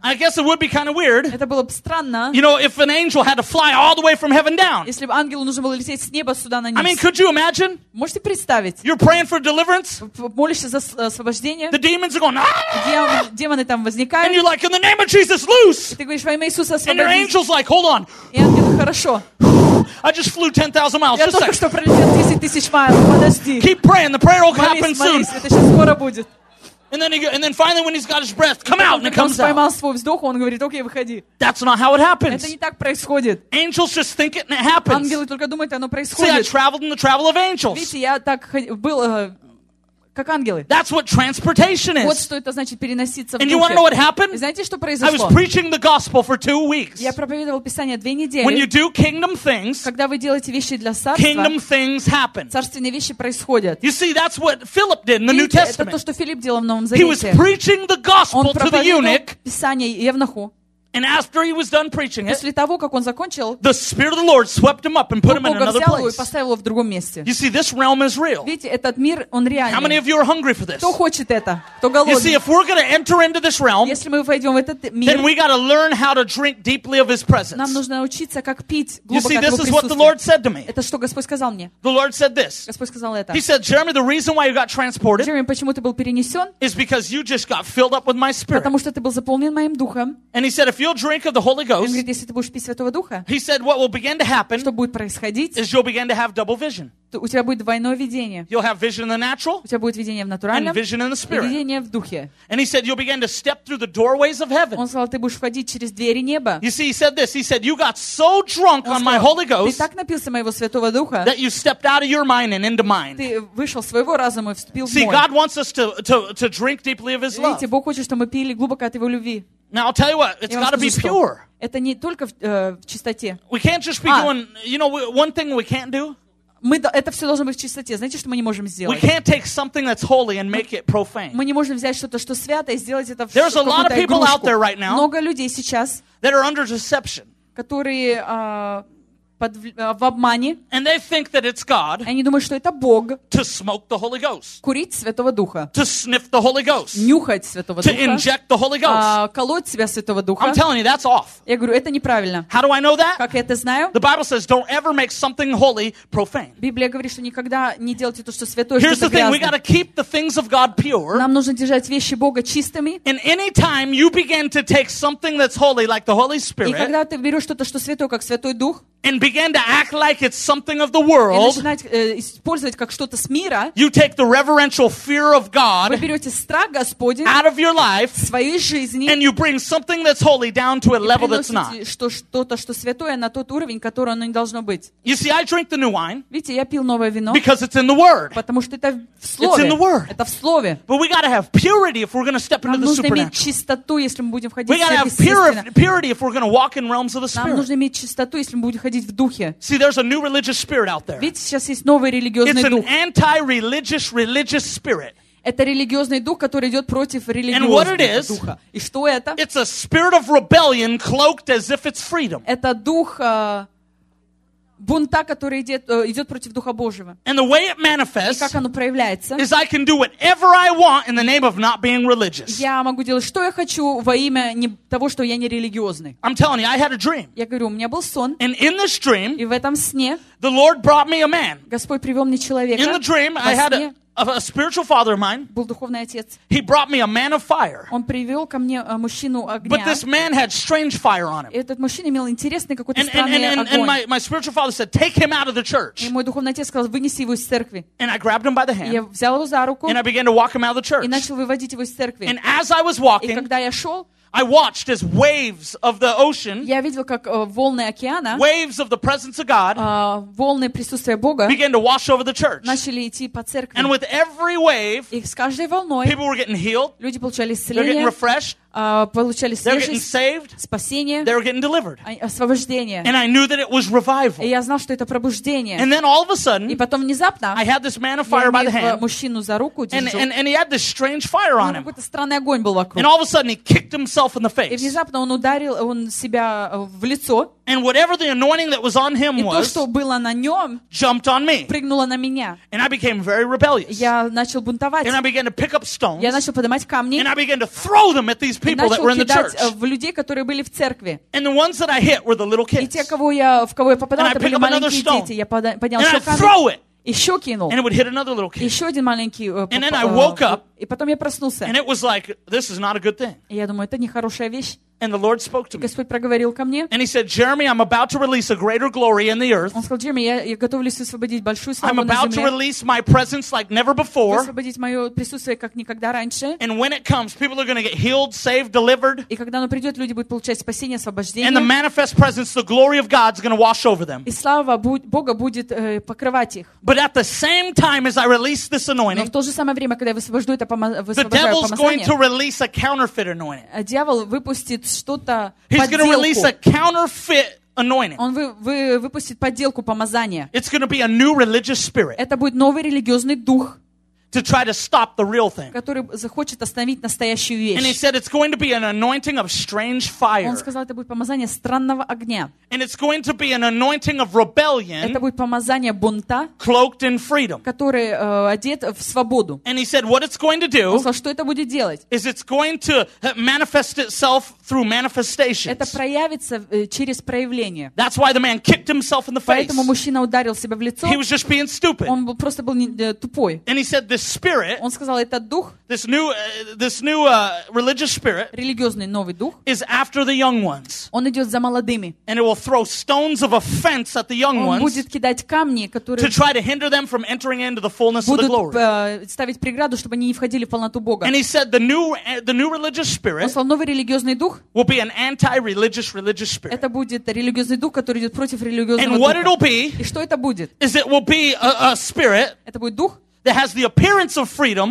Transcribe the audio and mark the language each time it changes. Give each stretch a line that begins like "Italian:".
English: I guess it would be kind of weird.
Russian: Это было бы странно.
English: You know, if an angel had to fly all the way from heaven down.
Russian: Если бы ангелу нужно было лететь с неба сюда на низ.
English: I mean, could you imagine?
Russian: Можете представить?
English: You're praying for deliverance.
Russian: Молишься за освобождение.
English: The demons are going,
Russian: Демоны там возникают.
English: And you're like, in the name of Jesus, loose.
Russian: Ты говоришь, во имя Иисуса, освободи.
English: And your angel's like, hold on.
Russian: И ангел, хорошо.
English: I just flew 10,000 miles.
Russian: Я только что пролетел 10,000 миль. Подожди.
English: Keep praying. The prayer will come. And then finally, when he's got his breath, come out, and it comes out.
Russian: Когда он поймал свой вздох, он говорит: "Окей, выходи."
English: That's not how it happens.
Russian: Это не так происходит.
English: Angels just think it and it happens.
Russian: Ангелы только думают, оно происходит.
English: See, I traveled in the travel of angels.
Russian: Видите, я так был как ангелы.
English: That's what transportation is.
Russian: Вот что это значит переноситься.
English: And you want to know what happened?
Russian: Знаете, что произошло?
English: I was preaching the gospel for 2 weeks.
Russian: Я проповедовал Писание 2 недели.
English: When you do kingdom things,
Russian: когда вы делаете вещи для царства,
English: kingdom things happen.
Russian: Царственные вещи происходят.
English: You see, that's what Philip did in the New Testament.
Russian: Это то, что Филипп делал в Новом Завете.
English: He was preaching the gospel to the eunuch.
Russian: Писание евнуху.
English: And after he was done preaching it,
Russian: после того, как он закончил,
English: the Spirit of the Lord swept him up and put him in another place.
Russian: Бог взял его и поставил его в другом месте.
English: You see, this realm is real.
Russian: Видите, этот мир, он реальный.
English: How many of you are hungry for this?
Russian: Кто хочет это? Кто голодный?
English: You see, if we're going to enter into this realm,
Russian: если мы войдем в этот мир,
English: then we got to learn how to drink deeply of his presence.
Russian: Нам нужно научиться, как пить глубоко от его присутствия.
English: You see, this is what the Lord said to me.
Russian: Это что Господь сказал мне?
English: The Lord said this.
Russian: Господь сказал это.
English: He said, Jeremy, the reason why you got transported,
Russian: Джереми, почему ты был перенесен,
English: is because you just got filled up with my Spirit.
Russian: Потому что ты был заполнен моим духом.
English: And he said, if you'll drink of the Holy Ghost,
Russian: говорит, если ты будешь пить Святого Духа,
English: he said, what will begin to happen,
Russian: что будет происходить,
English: is you'll begin to have double vision.
Russian: У тебя будет двойное видение.
English: You'll have vision in the natural,
Russian: у тебя будет видение в натуральном
English: and vision in the spirit.
Russian: И видение в духе.
English: And he said, you'll begin to step through the doorways of heaven.
Russian: Он сказал, ты будешь входить через двери неба.
English: You see, he said this. He said, you got so drunk
Russian: сказал,
English: on my Holy Ghost,
Russian: ты так напился моего Святого Духа,
English: that you stepped out of your mind and into mine.
Russian: Ты вышел своего разума и вступил
English: see,
Russian: в мой.
English: God wants us to drink deeply of his love.
Russian: Видите, Бог хочет, чтобы мы пили глубоко от его любви.
English: Now I'll tell you what, it's got to be pure.
Russian: Это не только в чистоте.
English: We can't just be doing, you know, one thing we can't do.
Russian: Мы это все должно быть в чистоте. Знаете, что мы не можем сделать?
English: We can't take something that's holy and make it profane.
Russian: Мы не можем взять что-то, что святое, и сделать это в какую-то игрушку.
English: There's a lot of people out there right now.
Russian: Много людей сейчас.
English: That are under deception.
Russian: Которые в обмане.
English: And they think that it's God.
Russian: Они думают, что это Бог.
English: To smoke the Holy Ghost.
Russian: Курить Святого Духа.
English: To sniff the Holy Ghost.
Russian: Нюхать Святого
English: to
Russian: Духа.
English: To inject the Holy Ghost.
Russian: Колоть себя Святого Духа.
English: I'm telling you, that's off.
Russian: Я говорю, это неправильно.
English: How do I know that?
Russian: Как я это знаю?
English: The Bible says, don't ever make something holy profane.
Russian: Библия говорит, что никогда не делайте то, что святое,
English: Here's
Russian: что-то
English: the thing,
Russian: грязное.
English: We gotta keep the things of God pure.
Russian: Нам нужно держать вещи Бога чистыми.
English: And any time you begin to take something that's holy, like the Holy Spirit.
Russian: И когда ты берешь что-то, что святое, как Святой Дух.
English: And begin to act like it's something of the world.
Russian: И начинать использовать как что-то с мира.
English: You take the reverential fear of God.
Russian: Вы берете страх Господень.
English: Out of your life.
Russian: В своей жизни.
English: And you bring something that's holy down to a level that's not.
Russian: И приносите что-то, что святое, на тот уровень, который оно не должно быть.
English: You see, I drink the new wine.
Russian: Видите, я пил новое вино.
English: Because it's in the Word.
Russian: Потому что это в слове.
English: It's in the Word.
Russian: Это в слове.
English: But we gotta have purity if we're gonna step into the supernatural.
Russian: Нам нужно иметь чистоту, если мы будем входить в святое.
English: We gotta have purity if we're gonna walk in realms of the Spirit.
Russian: Нам нужно иметь чистоту, если мы будем ходить в духе.
English: See, there's a new religious spirit out there.
Russian: Видите, сейчас есть новый религиозный дух.
English: It's an anti-religious religious spirit.
Russian: Это религиозный дух, который идет против религиозного духа.
English: And what it is,
Russian: духа. И что это?
English: It's a spirit of rebellion cloaked as if it's freedom.
Russian: Это дух бунта, который идет против Духа Божьего.
English: And the way it manifests,
Russian: и как оно проявляется,
English: is I can do whatever I want in the name of not being religious.
Russian: Я могу делать, что я хочу во имя того, что я не религиозный.
English: I'm telling you, I had a dream.
Russian: Я говорю, у меня был сон.
English: And in this dream,
Russian: и в этом сне,
English: the Lord brought me a man.
Russian: Господь привел мне человека.
English: In the dream, I had a spiritual father of mine.
Russian: Был духовный отец.
English: He brought me a man of fire.
Russian: Он привел ко мне мужчину огня.
English: But this man had strange fire on him.
Russian: Этот мужчина имел интересный какой-то странный огонь.
English: And my spiritual father said, "Take him out of the church."
Russian: И мой духовный отец сказал, вынеси его из церкви.
English: And I grabbed him by the hand.
Russian: Я взял его за руку.
English: And I began to walk him out of the church.
Russian: И начал выводить его из церкви.
English: And as I was walking,
Russian: и когда я шел,
English: I watched as waves of the ocean,
Russian: я видел, как волны океана,
English: waves of the presence of God,
Russian: волны присутствия Бога,
English: began to wash over the church.
Russian: Начали идти по церкви.
English: And with every wave,
Russian: и с каждой волной,
English: people were getting healed,
Russian: люди получали исцеление,
English: they were getting refreshed,
Russian: получали свежесть,
English: they were getting saved,
Russian: спасение,
English: they were getting delivered,
Russian: освобождение.
English: And I knew that it was revival.
Russian: И я знал, что это пробуждение.
English: And then all of a sudden,
Russian: и потом внезапно,
English: I had this man of fire by the hand,
Russian: мужчину за руку держу,
English: and he had this strange fire on him.
Russian: Какой-то странный огонь был вокруг.
English: And all of a sudden, he kicked himself. In the face.
Russian: И внезапно он ударил он себя в лицо.
English: And whatever the anointing that was on him
Russian: и то, что было на нем,
English: jumped on me.
Russian: Прыгнуло на меня.
English: And I became very rebellious.
Russian: Я начал бунтовать.
English: And I began to pick up stones.
Russian: Я начал поднимать камни.
English: And I began to throw them at these people that were in the church.
Russian: И начал кидать в людей, которые были в церкви.
English: And the ones that I hit were the little kids.
Russian: И те, в кого я попадал,
English: and
Russian: это были маленькие дети. Я поднял еще камни.
English: And I throw it.
Russian: Еще кинул.
English: And it would hit another little kid.
Russian: Еще один маленький.
English: And then I woke up.
Russian: И потом я проснулся.
English: And it was like, this is not a good thing.
Russian: И я думаю, это не хорошая вещь.
English: And the Lord spoke to me.
Russian: Господь проговорил ко мне.
English: And he said, Jeremy, I'm about to release a greater glory in the earth.
Russian: Он сказал, Джереми, я готовлюсь освободить большую славу на земле.
English: I'm about to release my presence like never before.
Russian: Освободить мое присутствие как никогда раньше.
English: And when it comes, people are going to get healed, saved, delivered.
Russian: И когда оно придет, люди будут получать спасение, освобождение.
English: And the manifest presence, the glory of God is going to wash over them.
Russian: И слава Бога будет покрывать их.
English: But at the same time as I release this anointing,
Russian: но в то же самое время, когда я высвобождаю это помазание,
English: the devil's going to release a counterfeit anointing.
Russian: Дьявол выпустит что-то,
English: he's going to release a counterfeit anointing.
Russian: Он выпустит подделку помазания.
English: It's going to be a new religious spirit.
Russian: Это будет новый религиозный дух.
English: To try to stop the real thing.
Russian: Который захочет остановить настоящую вещь.
English: And he said it's going to be an anointing of strange fire.
Russian: Он сказал, это будет помазание странного огня.
English: And it's going to be an anointing of rebellion.
Russian: Это будет помазание бунта.
English: Cloaked in freedom.
Russian: Который одет в свободу.
English: And he said what it's going to do.
Russian: Он сказал, что это будет делать.
English: Is it's going to manifest itself through manifestations.
Russian: Это проявится через проявление.
English: That's why the man kicked himself in the face.
Russian: Поэтому мужчина ударил себя в лицо.
English: He was just being stupid.
Russian: Он просто был тупой.
English: And he said this spirit,
Russian: он сказал, этот дух,
English: this new religious spirit,
Russian: религиозный новый дух,
English: is after the young ones.
Russian: Он идет за молодыми.
English: And it will throw stones of offense at the young ones.
Russian: Он будет кидать камни, которые
English: to try to hinder them from entering into the fullness of the glory.
Russian: Будут ставить преграду, чтобы они не входили в полноту Бога.
English: And he said the new religious spirit,
Russian: он сказал, новый религиозный дух,
English: will be an anti-religious spirit.
Russian: Это будет религиозный дух, который идет против религиозного
English: And what it'll be,
Russian: и что это будет,
English: is it will be a spirit.
Russian: Это будет дух.
English: That has the appearance of freedom,